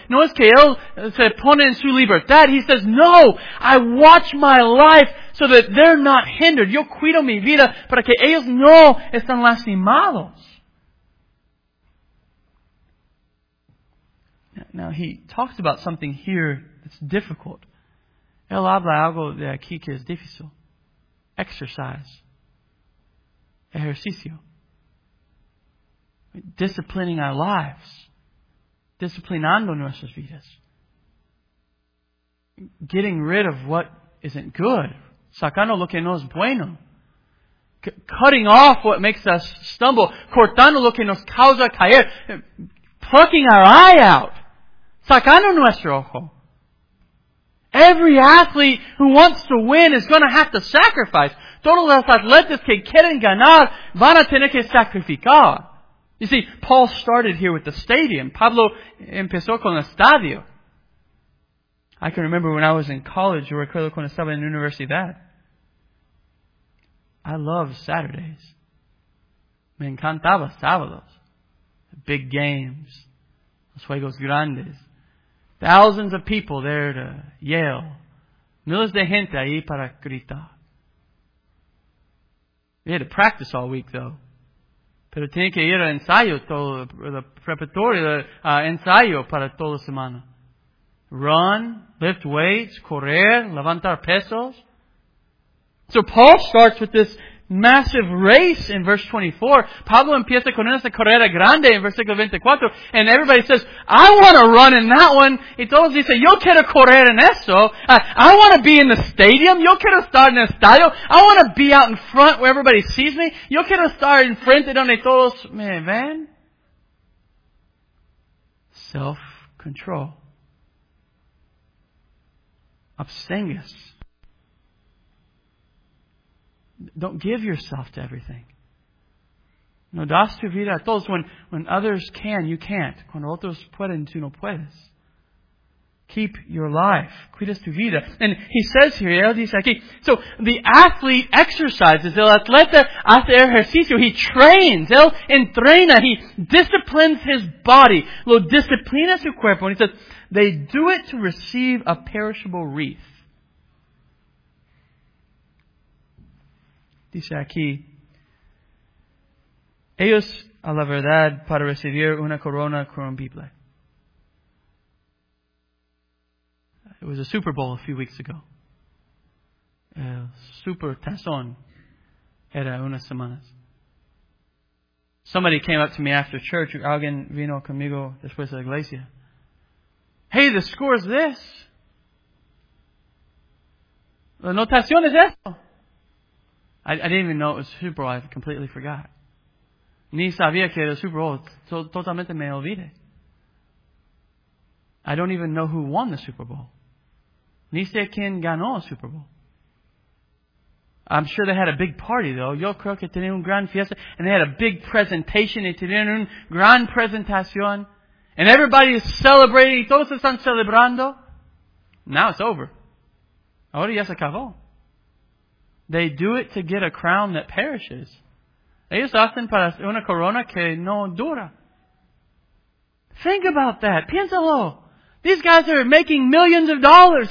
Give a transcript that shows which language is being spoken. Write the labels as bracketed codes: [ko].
[es] No es que él se pone en su libertad. [en] He says, no, I watch my life so that they're not hindered. [es] Yo cuido mi vida para que ellos no estén lastimados. [en] Now, he talks about something here that's difficult. [es] Él habla algo de aquí que es difícil. [en] Exercise. [es] Ejercicio. [en] Disciplining our lives. [es] Disciplinando nuestras vidas. [en] Getting rid of what isn't good. [es] Sacando lo que no es bueno. [en] Cutting off what makes us stumble. [es] Cortando lo que nos causa caer. [en] Plucking our eye out. [es] Sacando nuestro ojo. [en] Every athlete who wants to win is going to have to sacrifice. [es] Todos los atletas que quieren ganar van a tener que sacrificar. [en] You see, Paul started here with the stadium. [es] Pablo empezó con el estadio. [en] I can remember when I was in college, [es] yo recuerdo cuando estaba en la universidad. [en] I love Saturdays. [es] Me encantaba sábados. [en] Big games. [es] Los juegos grandes. [en] Thousands of people there to yell. [es] Miles de gente ahí para gritar. [en] We had to practice all week though. [es] Pero tenía que ir a ensayo todo, [en] the preparatory, [es] ensayo para toda semana. [en] Run, lift weights, [es] correr, levantar pesos. [en] So Paul starts with this massive race in verse 24. [es] Pablo empieza con esa carrera grande en versículo 24. [en] And everybody says, I want to run in that one. [es] Y todos dicen, yo quiero correr en eso. [en] I want to be in the stadium. [es] Yo quiero estar en el estadio. [en] I want to be out in front where everybody sees me. [es] Yo quiero estar en frente donde todos me ven. [en] Self-control. [es] Abstengas. [en] Don't give yourself to everything. [es] No das tu vida a todos. [en] When others can, you can't. [es] Cuando otros pueden, tú no puedes. [en] Keep your life. [es] Cuidas tu vida. [en] And he says here, [es] él dice aquí, [en] so the athlete exercises. [es] El atleta hace ejercicio. [en] He trains. [es] Él entrena. [en] He disciplines his body. [es] Lo disciplina su cuerpo. [en] And he says, they do it to receive a perishable wreath. [es] Dice aquí, ellos a la verdad para recibir una corona corrompible. [en] It was a Super Bowl a few weeks ago. [es] El Super Tazón era unas semanas. [en] Somebody came up to me after church. [es] Alguien vino conmigo después de la iglesia. [en] Hey, the score is this. [es] La notación es esto. [en] I didn't even know it was Super Bowl. I completely forgot. [es] Ni sabía que era Super Bowl. Totalmente me olvidé. [en] I don't even know who won the Super Bowl. [es] Ni sé quién ganó el Super Bowl. [en] I'm sure they had a big party, though. [es] Yo creo que tenían un gran fiesta. [en] And they had a big presentation. [es] Y tenían una gran presentación. [en] And everybody is celebrating. [es] Todos están celebrando. [en] Now it's over. [es] Ahora ya se acabó. [en] They do it to get a crown that perishes. [es] Ellos hacen para una corona que no dura. [en] Think about that. [es] Piénsalo. [en] These guys are making millions of dollars.